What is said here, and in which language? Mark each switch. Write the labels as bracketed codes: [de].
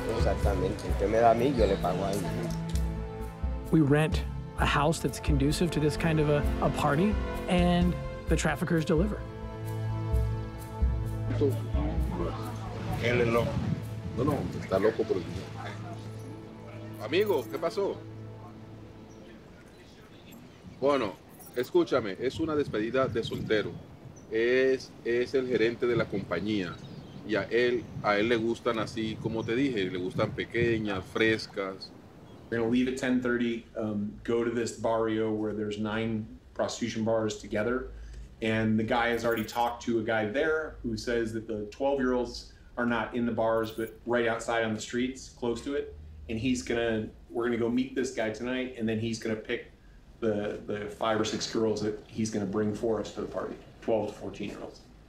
[es] Exactamente, usted me da a mí, yo le pago a ella. [en] We rent a house that's conducive to this kind of a party, and the traffickers deliver. [es] Él es loco. No, está loco por el dinero. Amigo, ¿qué pasó? Bueno, escúchame, es una despedida de soltero. Es el gerente de la compañía, y a él le gustan así, como te dije, le gustan pequeñas, frescas. [en] They're going to leave at 10:30, go to this barrio where there's 9 prostitution bars together. And the guy has already talked to a guy there who says that the 12-year-olds are not in the bars, but right outside on the streets, close to it. And we're going to go meet this guy tonight, and then he's going to pick the 5 or 6 girls that he's going to bring for us to the party, 12 to 14-year-olds.